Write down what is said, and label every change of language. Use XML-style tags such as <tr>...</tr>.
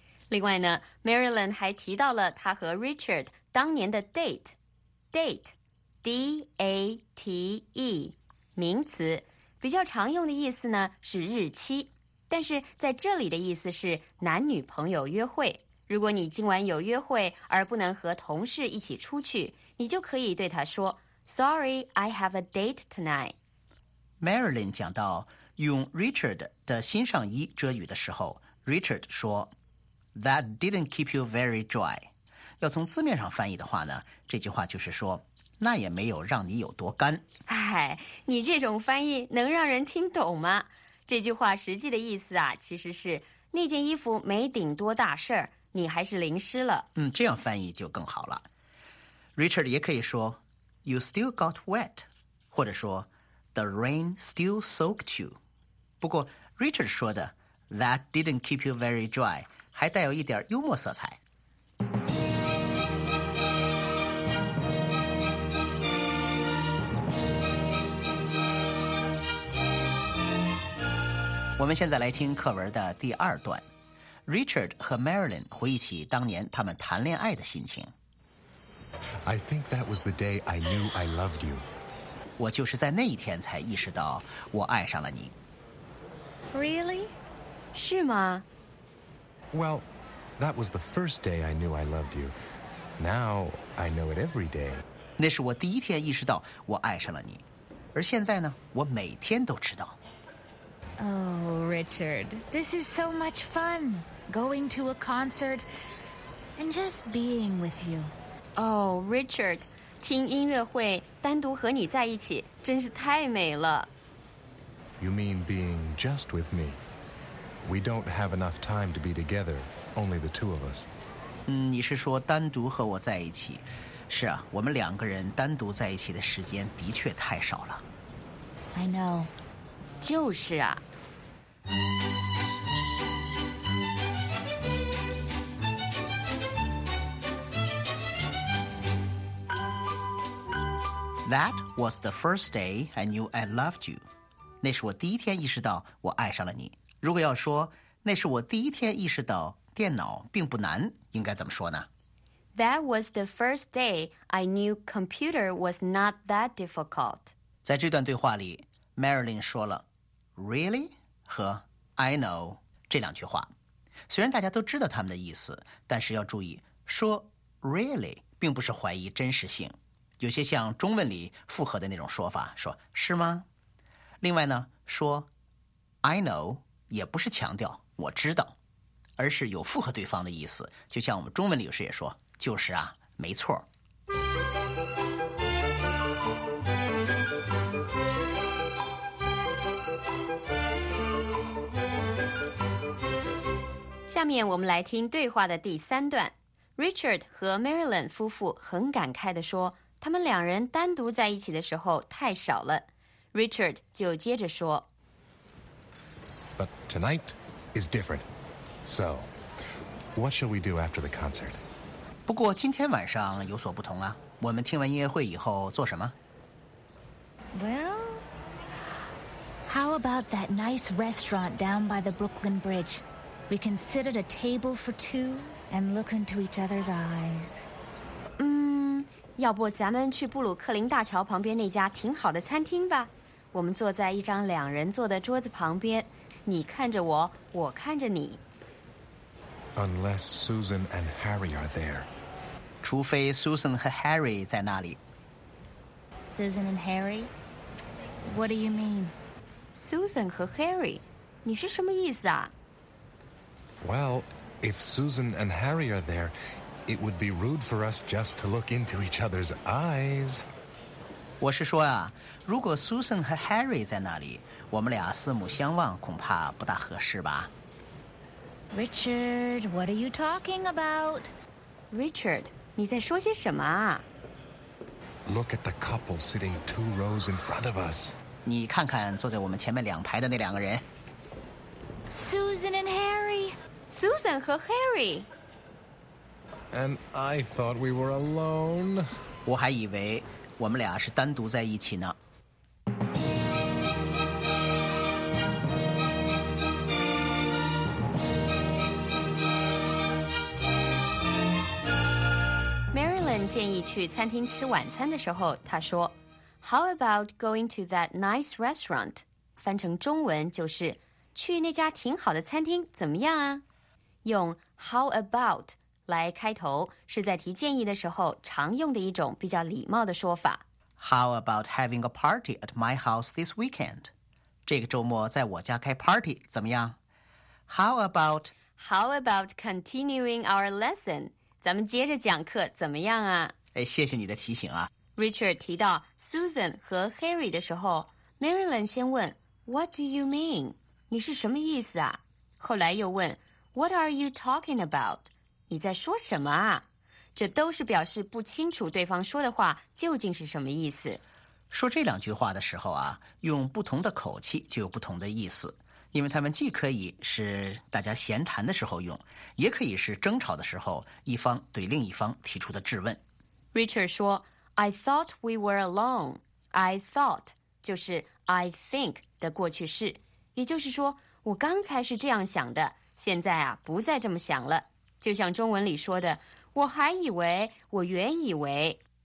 <zh>另外呢 ，Marilyn 还提到了他和 Richard 当年的 date, D-A-T-E, 名词，比较常用的意思呢是日期。但是在这里的意思是男女朋友约会。如果你今晚有约会而不能和同事一起出去，你就可以对他说</zh> <en>Sorry, I have a date tonight.</en> <zh>Marilyn 讲到用 Richard 的新上衣遮雨的时候， Richard 说</zh> <en>That didn't keep you very dry.</en> <zh>要从字面上翻译的话呢，这句话就是说那也没有让你有多干。哎，你这种翻译能让人听懂吗？这句话实际的意思啊，其实是那件衣服没顶多大事儿，你还是淋湿了。这样翻译就更好了。</zh> <en>Richard</en> <zh>也可以说</zh> <en>，You still got wet，</en> <zh>或者说</zh> <en>，The rain still soaked you。</en> <zh>不过 Richard 说的</zh> <en>That didn't keep you very dry，</en> <zh>还带有一点幽默色彩。我们现在来听课文的第二段。Richard 和 Marilyn 回忆起当年他们谈恋爱的心情。</zh> <en>I think that was the day I knew I loved you.</en> <zh>我就是在那一天才意识到我爱上了你。</zh> <en>Really?</en> <zh>是吗？</zh> <en>Well, that was the first day I knew I loved you. Now, I know it every day.</en> <zh>那是我第一天意识到我爱上了你。而现在呢，我每天都知道。</zh> <en>Oh, Richard, this is so much fun, going to a concert and just being with you.</en> <zh>Oh, Richard, 听音乐会单独和你在一起真是太美了。</zh> <en>You mean being just with me? We don't have enough time to be together, only the two of us.</en> <zh>你是说单独和我在一起。是啊，我们两个人单独在一起的时间的确太少了。</zh> <en>I know.</en> <zh>就是啊。</zh> <en>That was the first day I knew I loved you.</en> <zh>那是我第一天意识到我爱上了你。如果要说那是我第一天意识到电脑并不难，应该怎么说呢？</zh> <en>That was the first day I knew computer was not that difficult.</en> <zh>在这段对话里 ，Marilyn 说了。</zh> <en>Really?</en> <zh>和 I know 这两句话，虽然大家都知道他们的意思，但是要注意说 really 并不是怀疑真实性，有些像中文里附和的那种说法，说是吗？另外呢，说 I know 也不是强调我知道，而是有附和对方的意思，就像我们中文里有时也说，就是啊，没错。下面我们来听对话的第三段。Richard 和 Marilyn 夫妇很感慨地说，他们两人单独在一起的时候太少了。 Richard 就接着说，</zh> <en>But tonight is different. So, what shall we do after the concert?</en> <zh>不过今天晚上有所不同啊，我们听完音乐会以后做什么？</zh> <en>Well, how about that nice restaurant down by the Brooklyn Bridge? We can sit at a table for two and look into each other's eyes.</en> <zh>要不咱们去布鲁克林大桥旁边那家挺好的餐厅吧？我们坐在一张两人坐的桌子旁边，你看着我，我看着你。</zh> <en>Unless Susan and Harry are there.</en> <zh>除非 Susan 和 Harry 在那里。</zh> <en>Susan and Harry? What do you mean?</en> <zh>Susan 和 Harry? 你是什么意思啊？</zh> <en>Well, if Susan and Harry are there, it would be rude for us just to look into each other's eyes.</en> <zh>我是说啊，如果 Susan 和 Harry 在那里，我们俩四目相望恐怕不大合适吧。</zh> <en>Richard, what are you talking about?</en> <zh>Richard, 你在说些什么啊？</zh> <en>Look at the couple sitting two rows in front of us.</en> <zh>你看看坐在我们前面两排的那两个人。</zh> <en>Susan and Harry.</en> <zh>Susan 和 Harry.</zh> <en>And I thought we were alone.</en> <zh>我还以为我们俩是单独在一起呢。 Marilyn 建议去餐厅吃晚餐的时候，她说</zh> <en>How about going to that nice restaurant?</en> <zh>翻成中文就是去那家挺好的餐厅怎么样啊？用 how about 来开头，是在提建议的时候常用的一种比较礼貌的说法。</zh> <en>How about having a party at my house this weekend?</en> <zh>这个周末在我家开 party 怎么样？</zh> <en>How about continuing our lesson?</en> <zh>咱们接着讲课怎么样啊？哎，谢谢你的提醒啊。 Richard 提到 Susan 和 Harry 的时候， Marilyn 先问</zh> <en>What do you mean?</en> <zh>你是什么意思啊？后来又问</zh> <en>What are you talking about?</en> <zh>你在说什么啊？这都是表示不清楚对方说的话究竟是什么意思。说这两句话的时候啊，用不同的口气就有不同的意思，因为他们既可以是大家闲谈的时候用，也可以是争吵的时候一方对另一方提出的质问。</zh> <en>Richard 说 I thought we were alone.</en> <zh>I thought 就是 I think 的过去式，也就是说我刚才是这样想的，现在啊，不再这么想了。就像中文里说的，我还以为，我原以为。</zh>